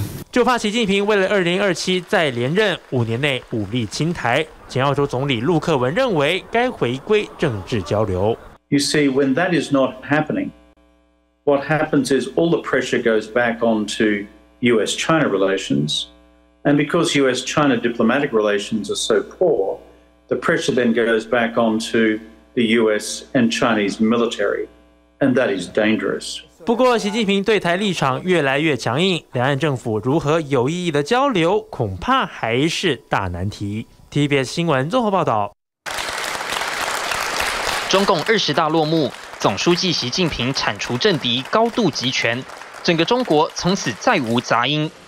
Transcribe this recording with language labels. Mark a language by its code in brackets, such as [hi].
[zh] 就怕习近平为了2027再连任，5年内武力侵台。前澳洲总理陆克文认为该回归政治交流。 [en] You see, when that is not happening, what happens is all the pressure goes back onto US-China relations. And because US-China diplomatic relations are so poor, the pressure then goes back onto the US and Chinese military, and that is dangerous. [zh] 不过，习近平对台立场越来越强硬，两岸政府如何有意义的交流，恐怕还是大难题。 TVBS 新闻综合报道。中共二十大落幕，总书记习近平铲除政敌，高度集权，整个中国从此再无杂音。